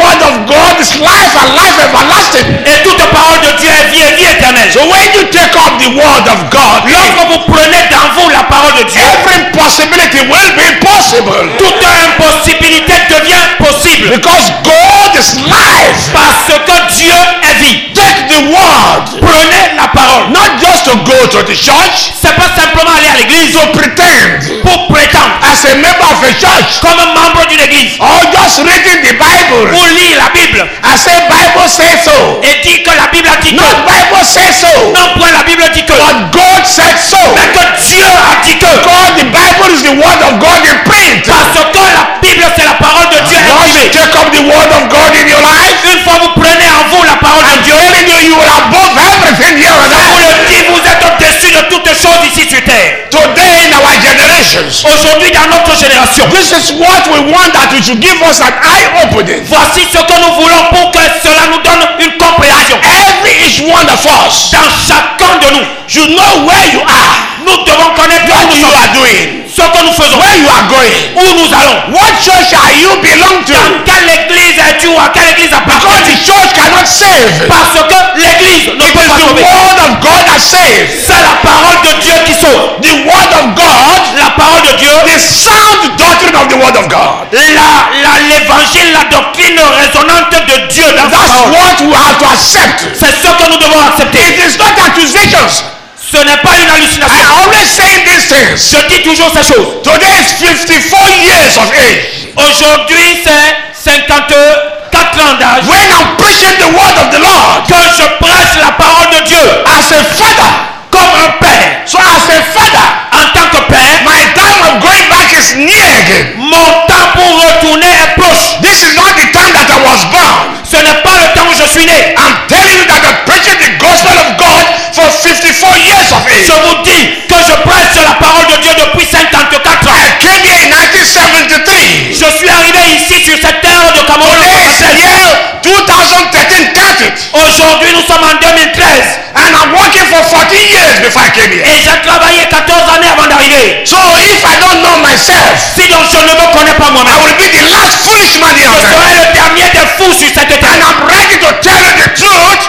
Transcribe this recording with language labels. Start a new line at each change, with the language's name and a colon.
English: Word of God is life and life everlasting.
French: Et toute parole de Dieu est vie et vie éternelle.
English: So when you take up the word of God,
French: lorsque vous prenez dans vous la parole de Dieu,
English: every impossibility will be possible.
French: Toute impossibilité devient possible.
English: Because God is life.
French: Parce que Dieu est vie.
English: Take the word.
French: Prenez la parole.
English: Not just to go to the church.
French: C'est pas simplement aller à l'église.
English: To pretend.
French: Pour prétendre.
English: As a member of a church.
French: Comme un membre d'une église.
English: Or just reading the Bible.
French: Ou lire la Bible.
English: I say Bible says so.
French: Et dit que la Bible a dit non, que.
English: Non, Bible says so.
French: Non, point la Bible dit que.
English: But God said so.
French: Mais que Dieu a dit que.
English: God, the Bible is the word of God in print.
French: Parce que la Bible c'est la parole de Dieu.
English: Just take up the word of God in your life.
French: Une fois vous prenez en vous la parole
English: and
French: de Dieu.
English: And you you are above everything here on earth.
French: Vous le dites, vous êtes au-dessus de toutes choses ici sur terre.
English: Today in our generations.
French: Aujourd'hui dans notre génération.
English: This is what we want, that it should give us an eye opening.
French: Voici ce que nous voulons pour que cela nous donne une compréhension.
English: Every is one of us.
French: Dans chacun de nous,
English: you know where you are.
French: Nous devons connaître
English: what you are doing.
French: Ce que nous faisons.
English: Where you are going.
French: Où nous allons.
English: What church are you belong to?
French: Dans quelle église es-tu ou à quelle église appartiens-tu?
English: Because the church cannot save.
French: Parce que l'église ne peut pas sauver.
English: It is the word of God that saves.
French: C'est la parole de Dieu qui sauve.
English: The word of God.
French: La parole de Dieu.
English: The sound doctrine of the word of God.
French: L'évangile, la doctrine résonante de Dieu dans sa parole.
English: That's what we have to accept.
French: C'est ce que nous devons accepter.
English: It is not accusations.
French: Ce n'est pas une hallucination.
English: I always say this thing.
French: Je dis toujours ces choses.
English: Today is 54 years of age.
French: Aujourd'hui c'est 54 ans d'âge.
English: When I'm preaching the word of the Lord.
French: Quand je prêche la parole de Dieu.
English: As a father.
French: Comme un père.
English: So as a father.
French: En tant que père.
English: My time of going back is near again.
French: Mon temps pour retourner est proche.
English: This is not the time that I was born.
French: Ce n'est pas le temps où je suis né.
English: I'm telling you that I'm preaching the gospel of God. For 54 years of age.
French: Je vous dis que je prêche la parole de Dieu depuis 54 ans.
English: I came here in 1973.
French: Je suis arrivé ici sur cette terre de Cameroun.
English: Today is year 2013. Count it.
French: Aujourd'hui nous sommes en 2013.
English: And I'm working for 14 years before I came here.
French: Et j'ai travaillé 14 années avant d'arriver.
English: So if I don't know myself,
French: si donc je ne me connais pas moi-même,
English: I will be the last foolish man here.
French: Je serai le dernier des fous sur cette terre.
English: And I'm ready to tell you the truth.